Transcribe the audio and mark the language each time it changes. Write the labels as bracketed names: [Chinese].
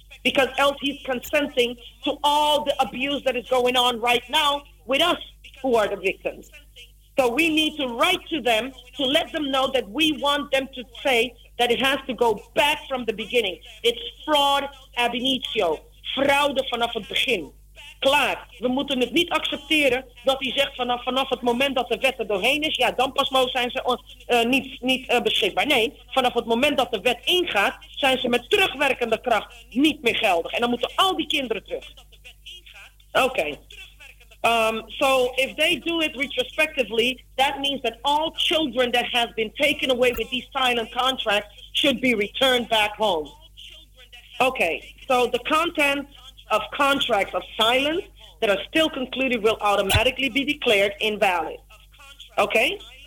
[English] Because else he's consenting to all the abuse that is going on right now with us who are the victims. So we need to write to them to let them know that we want them to say that it has to go back from the beginning. It's fraud ab initio. [Dutch] Fraude vanaf het begin. Klaar. We moeten het niet accepteren dat hij zegt vanaf het moment dat de wet er doorheen is, ja, dan pas zijn ze niet beschikbaar. Nee, vanaf het moment dat de wet ingaat, zijn ze met terugwerkende kracht niet meer geldig. En dan moeten al die kinderen terug. Okay. [English] So if they do it retrospectively, that means that all children that have been taken away with these silent contracts should be returned back home. Okay, so the contents of contracts of silence that are still concluded will automatically be declared invalid. Okay?